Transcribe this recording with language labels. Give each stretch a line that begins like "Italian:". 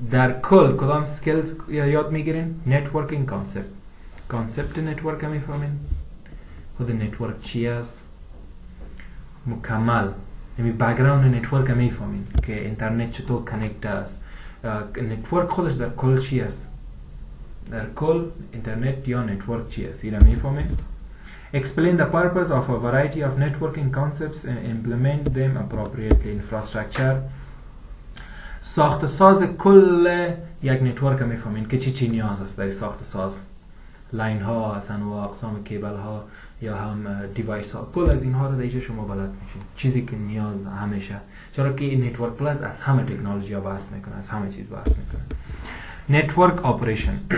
Persian: در کل کدام skills یاد میگیرین؟
English: Networking concept.
Persian: Concept network همی فهمین؟ خود network چی هست؟ مکمل یعنی background network همی فهمین که internet چطور connect هست. Network خودش در کل چی هست؟ در کل internet یا network چی هست؟ این همی فهمین؟
English: Explain the purpose of a variety of networking concepts and implement them appropriately.
Persian: Infrastructure ساخت ساز کل یک نتورک میفهمین که چی نیاز است در ساخت ساز لاین ها اصلا و اقسام کیبل ها یا هم دیوایس ها کل از اینها را دیگه شما بلد میشین چیزی که نیاز همیشه چرا که نتورک پلاس از همه تکنولوژی ها بحث میکنه از همه چیز بحث میکنه نتورک اپریشن